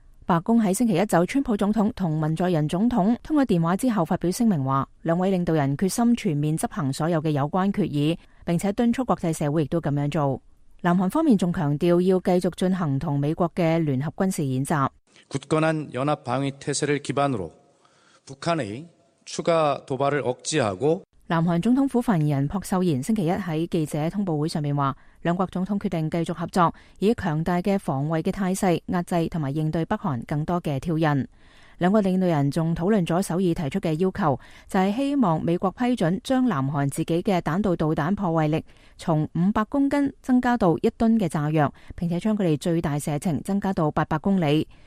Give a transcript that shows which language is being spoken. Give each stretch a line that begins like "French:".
Chinese: 白宫在星期一就川普总统和文在寅总统通过电话之后发表声明说，两位领导人决心全面执行所有的有关决议，并且敦促国际社会也都这样做。南韩方面还强调要继续进行同美国的联合军事演习。
Korean: 굳건한연합방위태세를기반으로북한의추가도발을억지하고
Chinese: 南韩总统府发言人朴秀妍星期一在记者通报会上面说，两国总统决定继续合作，以强大的防卫的态势压制和应对北韩更多的挑衅。两国领导人还讨论了首尔提出的要求，就是希望美国批准将南韩自己的弹道导弹破坏力从500公斤增加到1吨的炸药，并且将它们最大射程增加到800公里。